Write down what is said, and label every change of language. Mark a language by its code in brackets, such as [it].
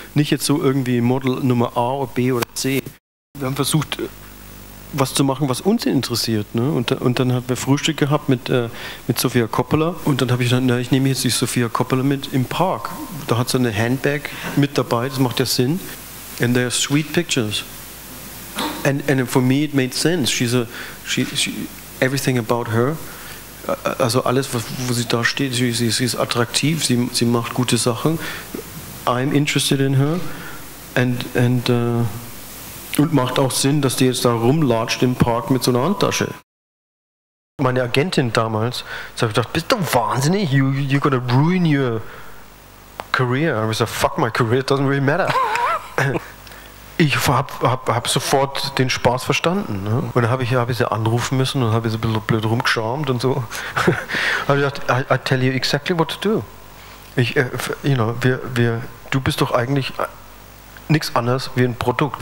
[de] Nicht jetzt so irgendwie Model Nummer A oder B oder C. Wir haben versucht, was zu machen, was uns interessiert, ne? Und dann haben wir Frühstück gehabt mit Sofia Coppola und dann habe ich gesagt, ich nehme jetzt die Sofia Coppola mit im Park. Da hat sie eine Handbag mit dabei, das macht ja Sinn. [en] And there are sweet pictures. And for me it made sense. She's everything about her. [de] Also alles, wo sie da steht, sie ist attraktiv, sie macht gute Sachen. [en] I'm interested in her. [de] Und macht auch Sinn, dass die jetzt da rumlatscht im Park mit so einer Handtasche. Meine Agentin damals, so ich dachte, bist du wahnsinnig? [en] You're gonna ruin your career. I was like, fuck my career, it doesn't really matter. [de] Ich hab sofort den Spaß verstanden. Ne? Und dann hab ich sie anrufen müssen und habe sie ein bisschen blöd rumgeschaumt und so. Hab ich gedacht, [en] I tell you exactly what to do. [de] Du bist doch eigentlich nichts anderes wie ein Produkt.